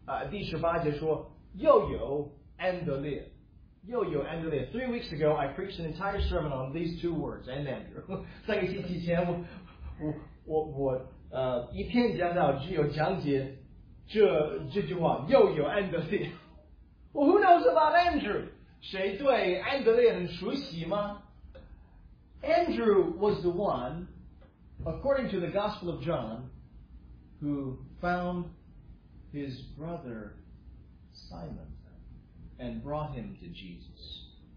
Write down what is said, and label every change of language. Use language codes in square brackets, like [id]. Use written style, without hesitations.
[zh] 第十八节说，又有安德烈。 [en] 3 weeks ago, I preached an entire sermon on these two words, and Andrew. [zh] 三个星期前，我。一篇讲到只有讲解这句话，又有安德烈。 [en] Well, who knows about Andrew? [zh] 谁对安德烈很熟悉吗？ [en] Andrew was the one, according to the Gospel of John, who found his brother Simon and brought him to Jesus.